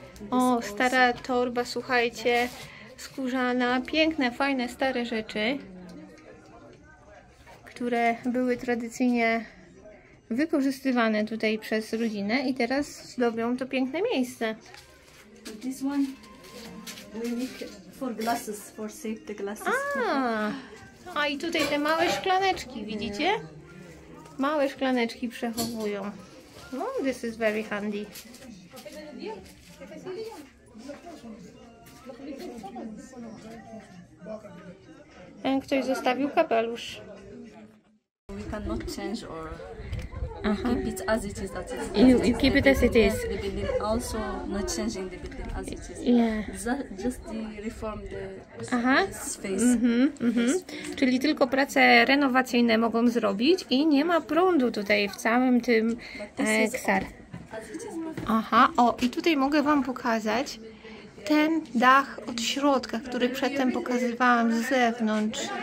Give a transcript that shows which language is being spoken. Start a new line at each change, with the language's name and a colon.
Polish: O, stara torba, słuchajcie, skórzana, piękne, fajne, stare rzeczy. które były tradycyjnie wykorzystywane tutaj przez rodzinę i teraz zdobią to piękne miejsce.
English: This one we make for glasses, for safety glasses.
Polish: A i tutaj te małe szklaneczki, widzicie? Małe szklaneczki przechowują.
English: No, this is very handy.
Polish: Ktoś zostawił kapelusz.
English: We cannot change or keep it as it is. You keep it as it is. The building also not changing the building as it is. Yeah. Just the reform the space.
Polish: Czyli tylko prace renowacyjne mogą zrobić i nie ma prądu tutaj w całym tym ksar. I tutaj mogę wam pokazać ten dach od środka, który przedtem pokazywałam z zewnątrz.